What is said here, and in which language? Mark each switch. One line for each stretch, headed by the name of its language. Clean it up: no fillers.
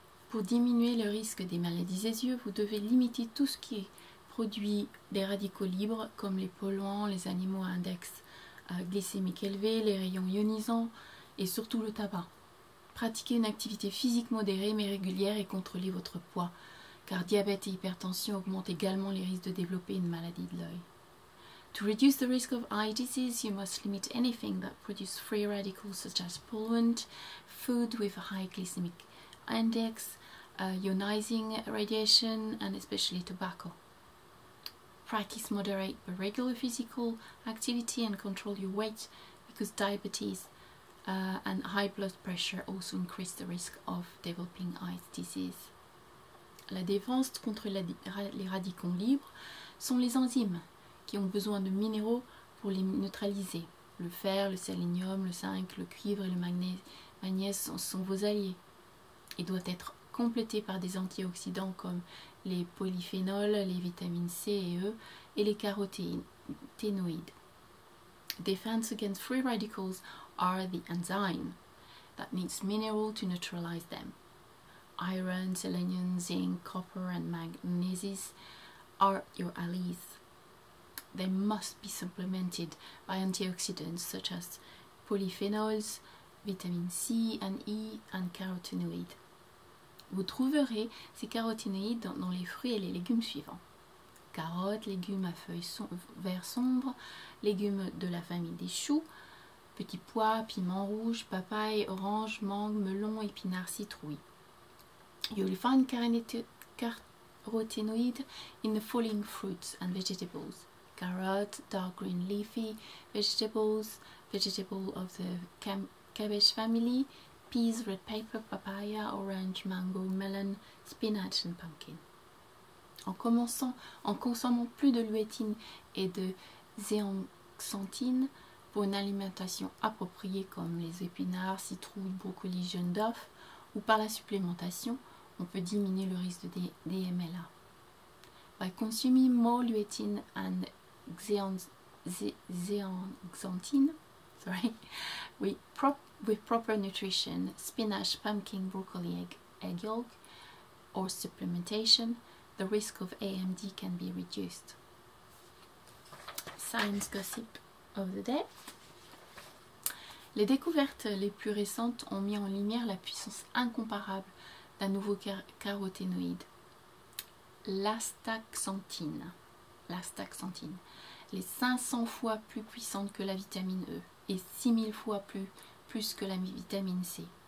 French: Pour diminuer le risque des maladies des yeux, vous devez limiter tout ce qui produit des radicaux libres comme les polluants, les animaux à index glycémique élevé, les rayons ionisants et surtout le tabac. Pratiquez une activité physique modérée mais régulière et contrôlez votre poids, car diabète et hypertension augmentent également les risques de développer une maladie de l'œil.
English: To reduce the risk of eye disease, you must limit anything that produces free radicals such as pollutant, food with high glycemic index, ionizing radiation, and especially tobacco. Practice moderate but regular physical activity and control your weight, because diabetes and high blood pressure also increase the risk of developing eye disease.
French: La défense contre les radicaux libres sont les enzymes qui ont besoin de minéraux pour les neutraliser. Le fer, le sélénium, le zinc, le cuivre et le magnèse sont vos alliés. Il doit être complété par des antioxydants comme les polyphénols, les vitamines C et E et les caroténoïdes.
English: Defense against free radicals are the enzyme that needs mineral to neutralize them. Iron, selenium, zinc, copper and magnesium are your allies. They must be supplemented by antioxidants such as polyphenols, vitamine C and E and carotenoids.
French: Vous trouverez ces caroténoïdes dans les fruits et les légumes suivants: carottes, légumes à feuilles vert sombre, légumes de la famille des choux, petits pois, piments rouges, papaye, orange, mangue, melon, épinards, citrouilles.
English: You will find carotenoïdes in the following fruits and vegetables: carottes, dark green leafy vegetables, vegetables of the cabbage family, peas, red pepper, papaya, orange, mango, melon, spinach and pumpkin.
French: En consommant plus de luétine et de zéanxanthine pour une alimentation appropriée comme les épinards, citrouilles, brocolis, jaunes d'œufs ou par la supplémentation, on peut diminuer le risque de DMLA.
English: By consuming more luétine and zéanxanthine, with proper nutrition, spinach, pumpkin, broccoli, egg yolk, or supplementation, the risk of AMD can be reduced. Science gossip of the day.
French: Les découvertes les plus récentes ont mis en lumière la puissance incomparable d'un nouveau caroténoïde, l'astaxanthine. Elle est 500 fois plus puissante que la vitamine E et 6000 fois plus que la vitamine C.